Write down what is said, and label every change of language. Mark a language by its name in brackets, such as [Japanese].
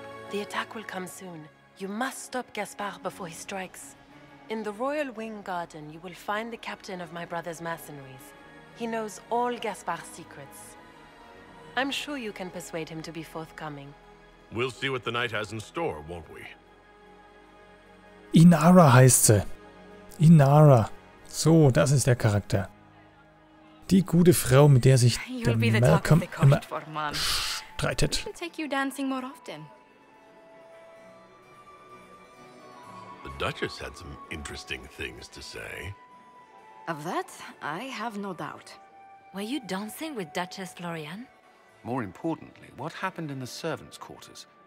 [English] The attack will come soon. You must stop Gaspard before he strikes. In the Royal Wing Garden, you will find the captain of my brother's mercenaries. He knows all Gaspard's secrets. I'm sure you can persuade him to be forthcoming. We'll see what the night has in store, won't we? [German] Inara heißt sie. Inara. So, das ist der Charakter. Die gute Frau, mit der sich der Malcolm immer streitet. [English] We should take you dancing more often. The Duchess had some interesting things to say. Of that, I have no doubt. Were you dancing with Duchess Floriane? More importantly, what happened in the servants' quarters?